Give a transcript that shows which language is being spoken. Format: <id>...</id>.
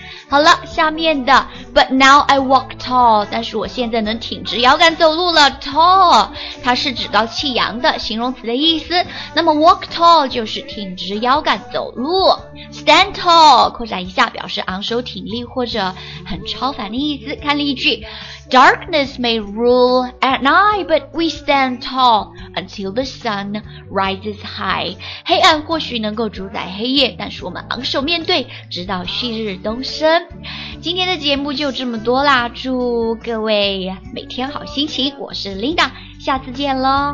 <zh>好了，下面的</zh> <en>But now I walk tall，</en> <zh>但是我现在能挺直腰杆走路了。 Tall 它是趾高气扬的形容词的意思，那么 walk tall 就是挺直腰杆走路。 Stand tall 扩展一下，表示昂首挺立或者很超凡的意思。看例句，</zh> <en>Darkness may rule at night but we stand tall until the sun rises high，</en> <zh>黑暗或许能够主宰黑夜，但是我们昂首面对直到旭日东升。今天的节目就这么多啦，祝各位每天好心情，我是 Linda， 下次见咯。</zh>